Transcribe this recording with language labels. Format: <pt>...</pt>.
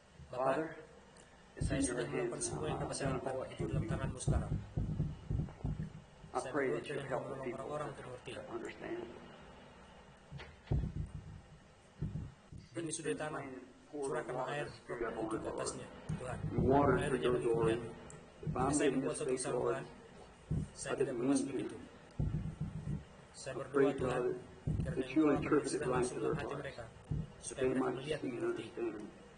<en>Father, it's in your hands now. I'm not going to pray for you. I pray that you help the people to understand.</en> <id>Ini sudah tanam. Curahkan air untuk atasnya, Tuhan.</id> <en>Water for your glory. If I'm making this big story, I didn't mean to. I'm afraid, Father, that you interpret it right to their hearts, so they might see and understand.</en>